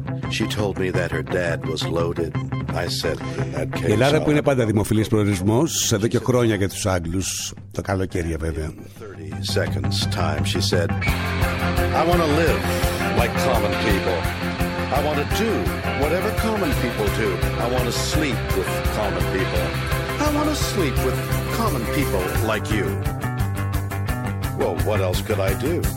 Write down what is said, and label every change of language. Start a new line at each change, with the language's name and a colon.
English: She told me that her dad was loaded. I said,
Greek: η Ελλάδα που είναι πάντα δημοφιλής προορισμός εδώ και χρόνια για τους Άγγλους, το καλοκαίρι βέβαια.
English: 30 seconds time, she said, I want to live like common people. I want to do whatever common people do. I want to sleep with common people. I want to sleep with common people like you. Well, what else could I do?